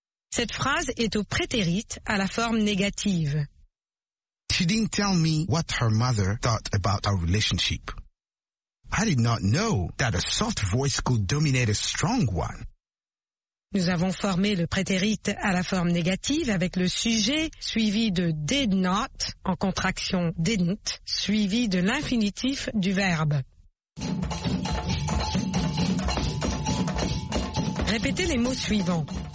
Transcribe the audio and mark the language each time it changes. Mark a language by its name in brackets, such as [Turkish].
[French] Cette phrase est au prétérit à la forme négative. [English] She didn't tell me what her mother thought about our relationship. I did not know that a soft voice could dominate a strong one. [French] Nous avons formé le prétérite à la forme négative avec le sujet suivi de did not en contraction didn't suivi de l'infinitif du verbe. Répétez les mots suivants.